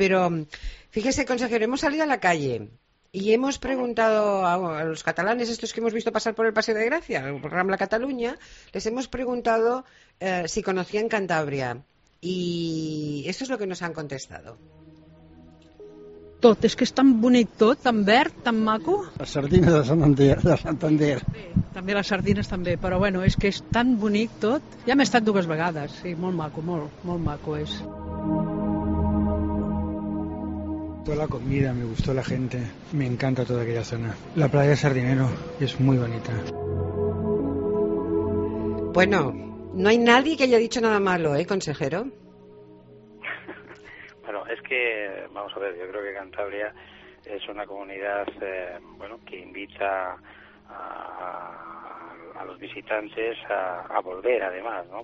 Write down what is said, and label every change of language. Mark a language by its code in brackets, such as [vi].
[es] Pero fíjese, consejero, hemos salido a la calle y hemos preguntado a los catalanes, estos que hemos visto pasar por el Paseo de Gracia, por Rambla Cataluña, les hemos preguntado si conocían Cantabria. Y esto es lo que nos han contestado. [ca] Tot, és que és tan bonic tot, tan verd, tan maco. La sardina de Santander. També les sardines, també, però bueno, és que és tan bonic tot. Ja m'he estat dues vegades, sí, molt maco, molt, molt maco és. [es] Toda la comida, me gustó la gente, me encanta toda aquella zona. La playa de Sardinero es muy bonita. Bueno, no hay nadie que haya dicho nada malo, ¿eh, consejero? Bueno, es que, vamos a ver, yo creo que Cantabria es una comunidad, bueno, que invita a los visitantes a volver, además, ¿no?